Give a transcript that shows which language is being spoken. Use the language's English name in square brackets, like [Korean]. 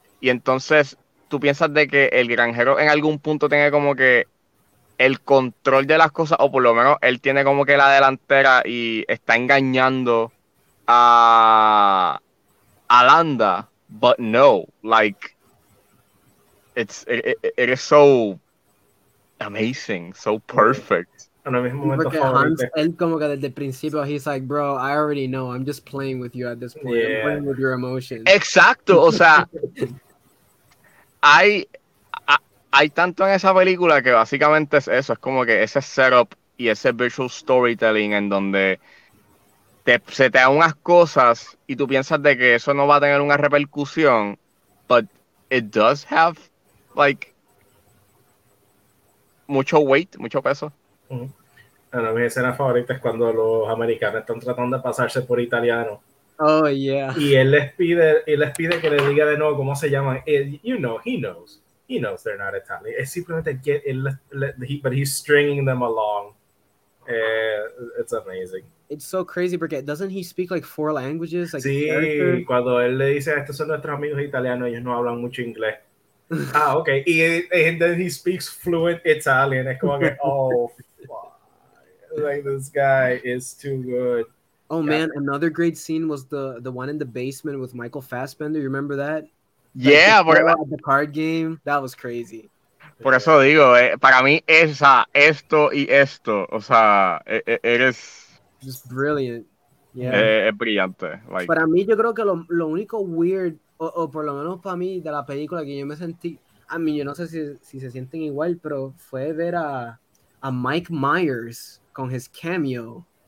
[Spanish] Y entonces tú piensas de que el granjero en algún punto tiene como que el control de las cosas, o por lo menos él tiene como que la delantera y está engañando a Landa, [English] but no, like it is so amazing, so perfect. [Spanish] Porque [English] Hans, [Spanish] él como que desde el principio, [English] he's like, bro, I already know, I'm just playing with you at this point, yeah. I'm playing with your emotions. [Spanish] Exacto, o sea, hay tanto en esa película que básicamente es eso, es como que ese setup y ese visual storytelling en donde se te dan unas cosas y tú piensas de que eso no va a tener una repercusión, [English] but it does have, like, [Spanish] mucho weight, mucho peso. Bueno, mi escena favorita es cuando los americanos están tratando de pasarse por italiano. [English] Oh, yeah. [Spanish] Y él les pide que le diga de nuevo cómo se llaman. [English] You know, he knows. He knows they're not Italian. [Spanish] Es simplemente que [English] but he's stringing them along. It's amazing. It's so crazy because doesn't he speak like four languages? Like [Spanish] sí, character? Cuando él le dice, estos son nuestros amigos italianos, ellos no hablan mucho inglés. [English] Ah, okay. And then he speaks fluent Italian. [Spanish] Es como que, [English] oh, fuck. Like, this guy is too good. Oh, yeah. Man, another great scene was the one in the basement with Michael Fassbender. You remember that? Yeah, like, the card game. That was crazy. [Spanish] Por eso digo, para mí esa, esto y esto, o sea, eres... [English] Just brilliant. Yeah. [Spanish] Es brillante. [English] Like... [Spanish] Para mí, yo creo que lo único weird, o por lo menos para mí, de la película que yo me sentí, a mí, yo no sé si se sienten igual, pero fue ver a Mike Myers con [English] his cameo.